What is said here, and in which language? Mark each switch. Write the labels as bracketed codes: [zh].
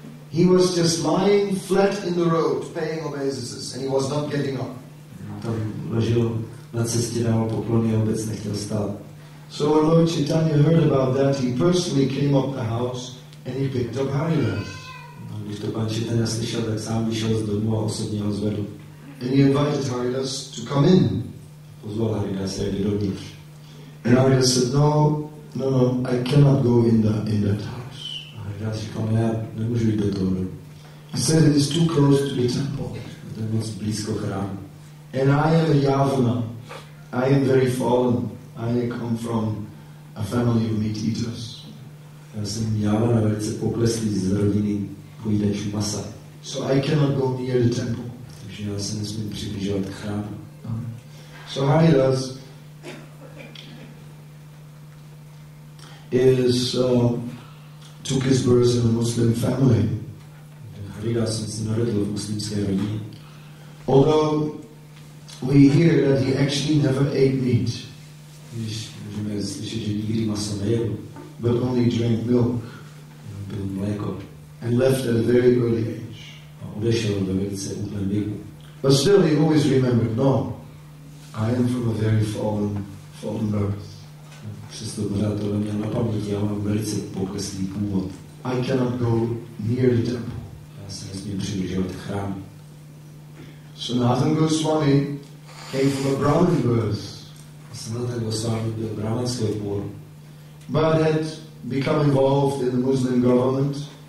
[en] He was just lying flat in the road, paying obeisances, and he was not getting up. [cs] Tam ležel na cestě, dával poklony a vůbec nechtěl stát. [en] So when Lord Chaitanya heard about that, he personally came up the house and he picked up Haridas. [cs] Když to pan Chaitanya slyšel, tak sám vyšel z domu a osobně ho zvedl. [en] And he invited Haridas to come in. [cs] Pozval Haridas, jde dovnitř. [en] And Haridas said, no, I cannot go in that house. He said it is too close to the temple. [cs] To je moc blízko chrámu. [en] And I am a Yavana. I am very fallen. I come from a family of meat eaters. [cs] Já jsem Yavana, velice pokleslý z rodiny pojídačů masa. [en] So I cannot go near the temple. [cs] Takže já se nesmím přibližovat k chrámu. [en] So Haridas is took his birth in a Muslim family. [cs] Haridas se narodil v muslimské rodině. [en] Although we hear that he actually never ate meat. [cs] Můžeme slyšet, že nikdy maso nejel. [en] But only drank milk. [cs] Byl mléko. [en] And left at a very early age. [cs] A odešel ve velice útlém věku. [en] But still he always remembered, no, I am from a very fallen birth. [cs] Přesto pořád tohle měl na paměti, já mám velice pokleslý původ. [en] I cannot go near the temple. [cs] Já se nesmím přibližovat chrámu. [en] Sanatana Goswami came from a Brahmin birth. [cs] Sanatana Goswami byl brahmanského původu. [en] but had become involved in the Muslim government.